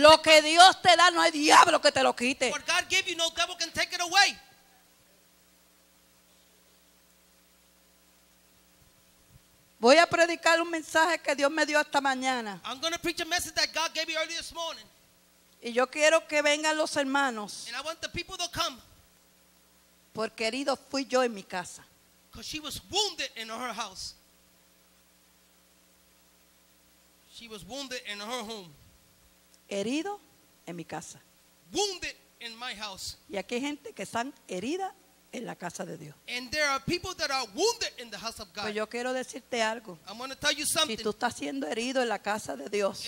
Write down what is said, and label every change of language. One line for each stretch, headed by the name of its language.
Spanish: lo que Dios te da, no hay diablo que te lo quite.
English: What God give you, no devil can take it away.
Spanish: Voy a predicar un mensaje que Dios me dio esta mañana.
English: I'm going to preach a message that God gave me early this morning.
Spanish: Y yo quiero que vengan los hermanos.
English: And I want the people to come.
Spanish: Porque herido fui yo en mi casa.
English: Because she was wounded in her house. She was wounded in her home.
Spanish: Herido en mi casa.
English: Wounded in my house.
Spanish: Y aquí hay gente que están herida en la casa de Dios.
English: And there are people that are wounded in the house of God.
Spanish: Pero yo quiero decirte algo.
English: I'm going to tell you something.
Spanish: Si tú estás siendo herido en la casa de Dios,